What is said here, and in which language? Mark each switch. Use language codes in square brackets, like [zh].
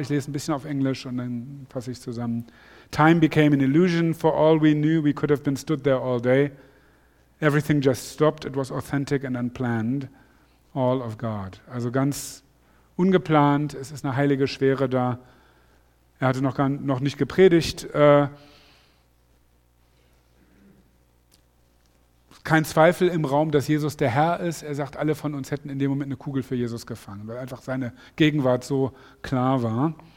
[de] Ich lese ein bisschen auf Englisch und dann fasse ich zusammen. [en] Time became an illusion. For all we knew, we could have been stood there all day. Everything just stopped. It was authentic and unplanned. All of God. [de] Also ganz ungeplant. Es ist eine heilige Schwere da. Er hatte noch nicht gepredigt. Kein Zweifel im Raum, dass Jesus der Herr ist. Er sagt, alle von uns hätten in dem Moment eine Kugel für Jesus gefangen, weil einfach seine Gegenwart so klar war.